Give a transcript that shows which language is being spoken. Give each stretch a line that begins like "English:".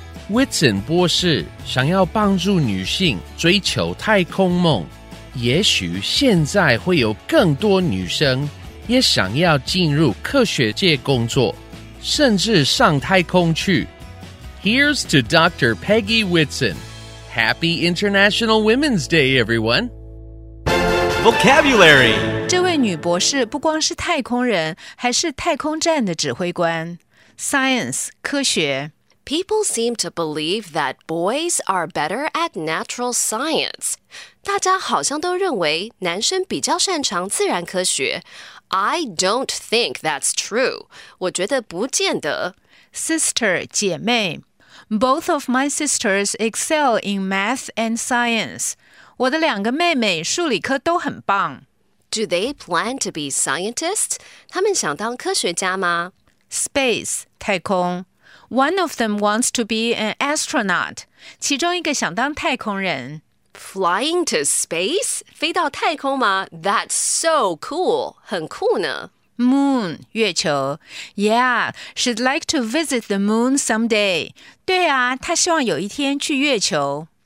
Chinese: Whitson 博士想要帮助女性追求太空梦，也许现在会有更多女生也想要进入科学界工作，甚至上太空去。
English: Here's to Dr. Peggy Whitson. Happy International Women's Day, everyone! Vocabulary.
Chinese: 这位女博士不光是太空人，还是太空站的指挥官。
English: Science,
Chinese: 科学。
English: People seem to believe that boys are better at natural science.
Chinese: 大家好像都认为男生比较擅长自然科学。
English: I don't think that's true.
Chinese: 我觉得不见得。
English: Sister,
Chinese: 姐妹。
English: Both of my sisters excel in math and science.
Chinese: 我的两个妹妹数理科都很棒。
English: Do they plan to be scientists?
Chinese: 他们想当科学家吗
English: ?Space,
Chinese: 太空。
English: One of them wants to be an astronaut.
Chinese: 其中一个想当太空人。
English: Flying to space?
Chinese: 飞到太空吗
English: ?That's so cool.
Chinese: 很酷呢。
English: Moon,
Chinese: 月球。
English: Yeah, she'd like to visit the moon someday.
Chinese: 对啊她希望有一天去月球。